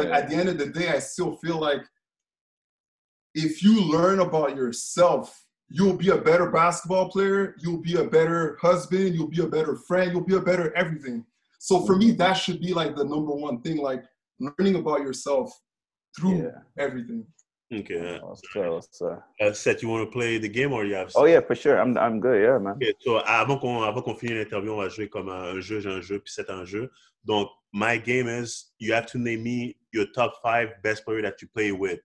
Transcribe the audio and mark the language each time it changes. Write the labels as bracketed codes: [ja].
[en] But at the end of the day, I still feel like, if you learn about yourself, you'll be a better basketball player, you'll be a better husband, you'll be a better friend, you'll be a better everything. So for me, that should be like the number one thing, like learning about yourself through everything. Okay. Seth, you want to play the game or you have... Oh yeah, for sure. I'm good, yeah, man. [fr] Okay, so avant qu'on finisse l'interview, on va jouer comme un jeu, puis c'est un jeu. [en] Donc, my game is, you have to name me your top five best players that you play with.